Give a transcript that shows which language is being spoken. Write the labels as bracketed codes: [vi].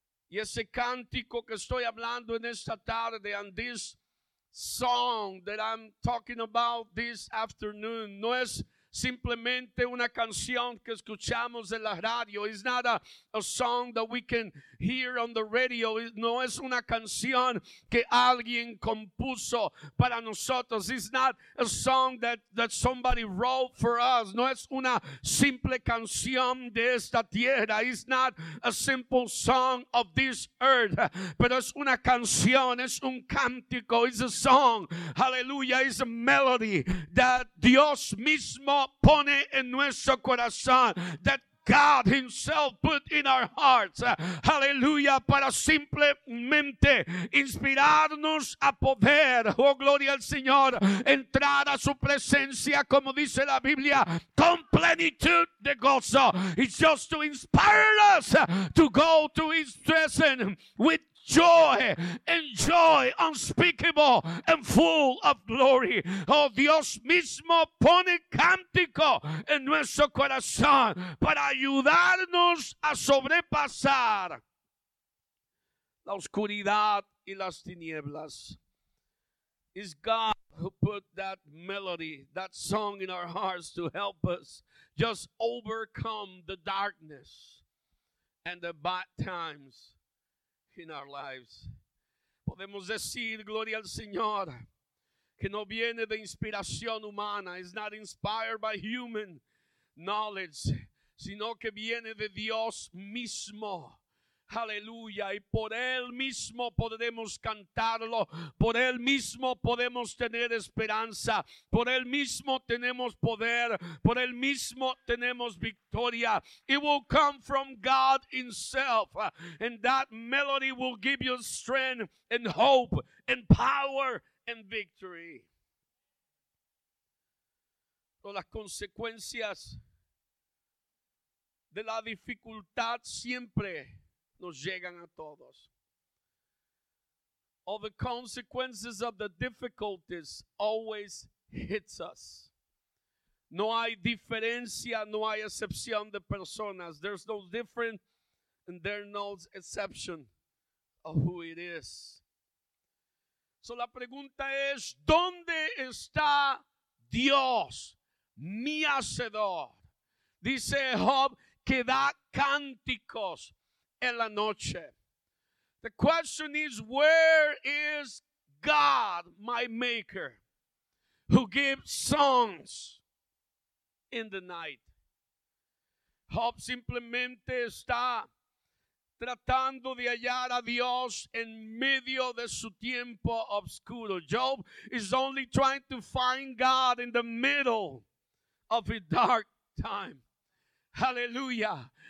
[es] Y ese cántico que estoy hablando en esta tarde, [en] and this song that I'm talking about this afternoon, [es] no es simplemente una canción que escuchamos en la radio. [en] It's not a song that we can hear on the radio. [es] No es una canción que alguien compuso para nosotros. [en] It's not a song that somebody wrote for us. [es] No es una simple canción de esta tierra. [en] It's not a simple song of this earth. [es] Pero es una canción, es un cántico. [en] It's a song, hallelujah, it's a melody that [es] Dios mismo pone en nuestro corazón, [en] that God himself put in our hearts, hallelujah, [es] para simplemente inspirarnos a poder, oh gloria al Señor, entrar a su presencia, como dice la Biblia, con plenitud de gozo. [en] It's just to inspire us to go to his presence with joy and joy unspeakable and full of glory. [es] Oh, Dios mismo pone cántico en nuestro corazón para ayudarnos a sobrepasar la oscuridad y las tinieblas. [en] It's God who put that melody, that song in our hearts to help us just overcome the darkness and the bad times in our lives. [es] Podemos decir, gloria al Señor, que no viene de inspiración humana. [en] It's not inspired by human knowledge, [es] sino que viene de Dios mismo. [en] Hallelujah. [es] Y por Él mismo podemos cantarlo. Por Él mismo podemos tener esperanza. Por Él mismo tenemos poder. Por Él mismo tenemos victoria. [en] It will come from God himself. And that melody will give you strength and hope and power and victory. [es] Todas las consecuencias de la dificultad siempre nos llegan a todos. [en] All the consequences of the difficulties always hits us. [es] No hay diferencia, no hay excepción de personas. [en] There's no different and there's no exception of who it is. [es] So la pregunta es, ¿dónde está Dios, mi Hacedor? Dice Job, que da cánticos en la noche. [en] The question is, where is God, my maker, who gives songs in the night? [es] Job simplemente está tratando de hallar a Dios en medio de su tiempo oscuro. [en] Job is only trying to find God in the middle of a dark time. Hallelujah.